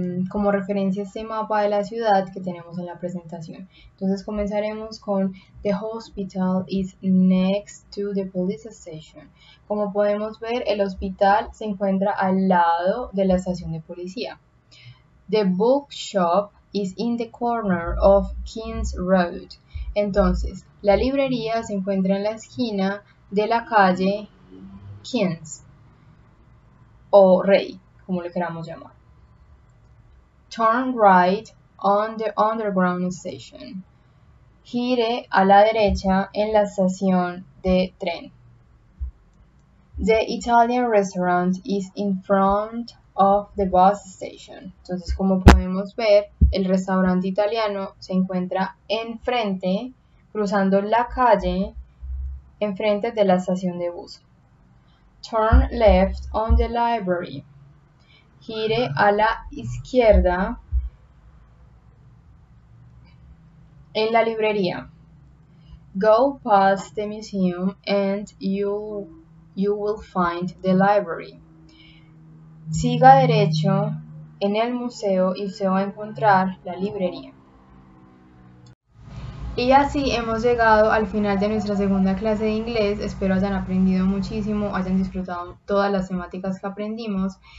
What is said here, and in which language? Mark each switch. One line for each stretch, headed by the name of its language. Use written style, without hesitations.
Spanish: como referencia este mapa de la ciudad que tenemos en la presentación. Entonces comenzaremos con
English: The hospital is next to the police station.
Spanish: Como podemos ver, el hospital se encuentra al lado de la estación de policía.
English: The bookshop is in the corner of King's Road.
Spanish: Entonces, la librería se encuentra en la esquina de la calle King's o Rey, como le queramos llamar.
English: Turn right on the underground station.
Spanish: Gire a la derecha en la estación de tren.
English: The Italian restaurant is in front of the bus station.
Spanish: Entonces, como podemos ver, el restaurante italiano se encuentra enfrente, cruzando la calle, enfrente de la estación de bus.
English: Turn left on the library.
Spanish: Gire a la izquierda en la librería.
English: Go past the museum and you will find the library.
Spanish: Siga derecho en el museo y usted va a encontrar la librería. Y así hemos llegado al final de nuestra segunda clase de inglés. Espero hayan aprendido muchísimo, hayan disfrutado todas las temáticas que aprendimos.